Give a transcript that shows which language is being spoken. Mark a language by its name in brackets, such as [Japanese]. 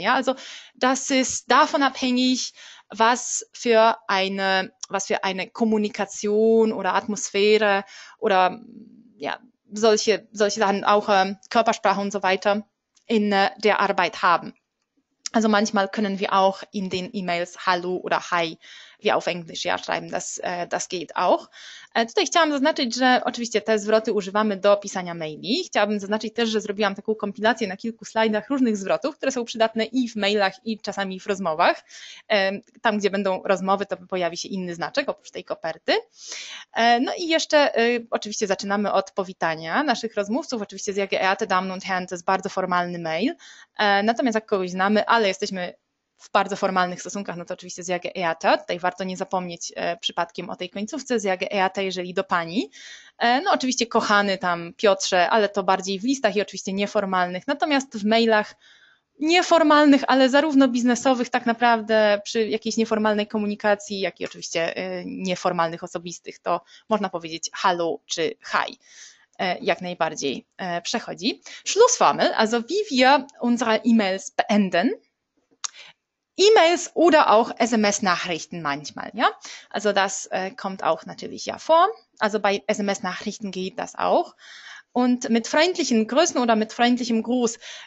[German] Ja, also das ist davon abhängig, was für eine Kommunikation oder Atmosphäre oder ja, solche Sachen, auch Körpersprache und so weiter in der Arbeit haben. Also manchmal können wir auch in den E-Mails Hallo oder Hi, wie auf Englisch, ja, schreiben. Das geht auch. [Polish] Tutaj chciałam zaznaczyć, że oczywiście te zwroty używamy do pisania maili. Chciałabym zaznaczyć też, że zrobiłam taką kompilację na kilku slajdach różnych zwrotów, które są przydatne i w mailach, i czasami w rozmowach. Tam, gdzie będą rozmowy, to pojawi się inny znaczek oprócz tej koperty. No i jeszcze oczywiście zaczynamy od powitania naszych rozmówców. Oczywiście [German] sehr geehrte Damen und Herren, [Polish] to jest bardzo formalny mail. Natomiast jak kogoś znamy, ale jesteśmy w bardzo formalnych stosunkach, no to oczywiście [German] sehr geehrter. [Polish] Tutaj warto nie zapomnieć przypadkiem o tej końcówce, [German] sehr geehrter, [Polish] jeżeli do pani. No oczywiście kochany tam Piotrze, ale to bardziej w listach i oczywiście nieformalnych. Natomiast w mailach nieformalnych, ale zarówno biznesowych, tak naprawdę przy jakiejś nieformalnej komunikacji, jak i oczywiście nieformalnych osobistych, to można powiedzieć hallo czy hi. Jak najbardziej przechodzi. [German] Schlussformel, also wie wir unsere E-Mails beenden. E-Mails oder auch SMS-Nachrichten manchmal, ja. Also das kommt auch natürlich ja vor. Also bei SMS-Nachrichten geht das auch. Und mit freundlichen Grüßen oder mit freundlichem Gruß.